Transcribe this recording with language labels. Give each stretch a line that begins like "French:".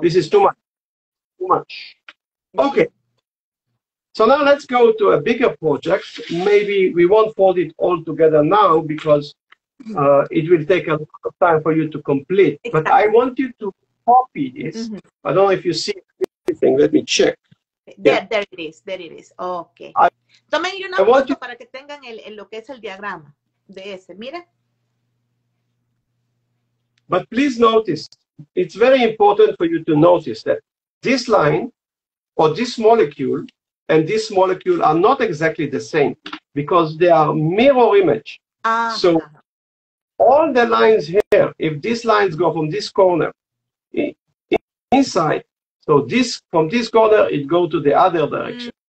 English: This is too much. Too much. Okay. So now let's go to a bigger project. Maybe we won't fold it all together now because it will take a lot of time for you to complete. Exactly. But I want you to copy this. Mm-hmm. I don't know if you see anything. Let me check. There it is. Okay.
Spanish: Tomen una foto para que tengan lo que es el diagrama de ese. Mira.
English: But please notice, it's very important for you to notice that this line or this molecule and this molecule are not exactly the same because they are mirror image. So all the lines here, if these lines go from this corner inside, so this from this corner, it go to the other direction.